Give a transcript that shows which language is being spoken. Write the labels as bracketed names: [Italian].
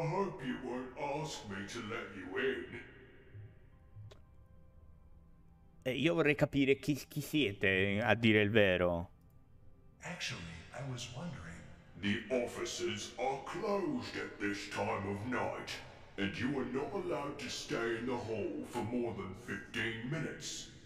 [English] I hope you won't ask me to let you in. [Italian] Io vorrei capire chi siete, a dire il vero. [English] Actually, I was wondering. The offices are closed at this time of night, and you are not allowed to stay in the hall for more than 15 minutes.